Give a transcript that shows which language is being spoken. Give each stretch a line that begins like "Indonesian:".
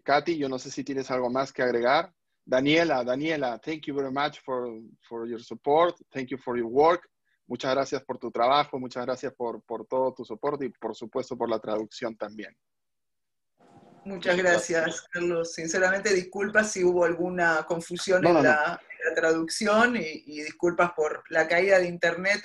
Spanish: Katy, yo no sé si tienes algo más que agregar.
English: Daniela, thank you very much for your support. Thank you for your work.
Spanish: Muchas gracias por tu trabajo. Muchas gracias por todo tu soporte y, por supuesto, por la traducción también. Muchas gracias, Carlos. Sinceramente, disculpas si hubo alguna confusión en la traducción y disculpas por la caída de internet.